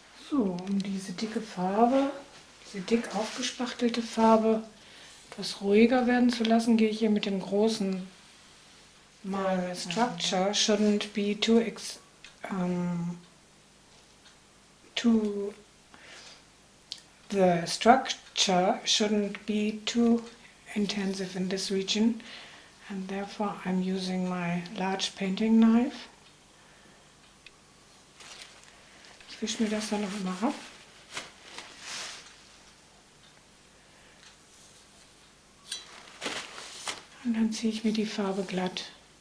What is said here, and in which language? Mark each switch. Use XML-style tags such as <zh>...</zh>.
<de>So, um diese dicke Farbe, diese dick aufgespachtelte Farbe etwas ruhiger werden zu lassen, gehe ich hier mit dem großen Mal</de> <en>Structure shouldn't be too ex. The structure shouldn't be too intensive in this region, and therefore I'm using my large painting knife.</en> <de>Ich wische mir das dann noch immer ab. Und dann ziehe ich mir die Farbe glatt.</de>